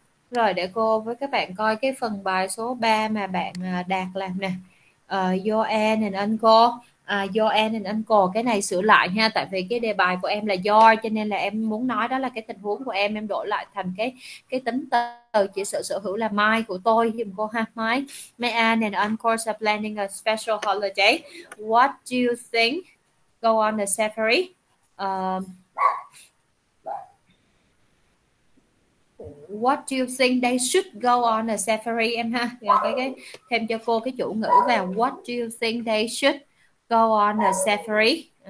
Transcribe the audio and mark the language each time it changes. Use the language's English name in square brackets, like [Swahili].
[Vietnamese] Rồi để cô với các bạn coi cái phần bài số 3 mà bạn Đạt làm nè. [English] Your and uncle, your and uncle, [Vietnamese] cái này sửa lại nha, tại vì cái đề bài của em là your cho nên là em muốn nói đó là cái tình huống của em đổi lại thành cái tính từ chỉ sở hữu là my của tôi giùm cô ha. [English] My and uncle are planning a special holiday. What do you think? Go on the safari. What do you think they should go on a safari [Vietnamese] em ha? Cái thêm cho cô cái chủ ngữ vào [English] what do you think they should go on a safari.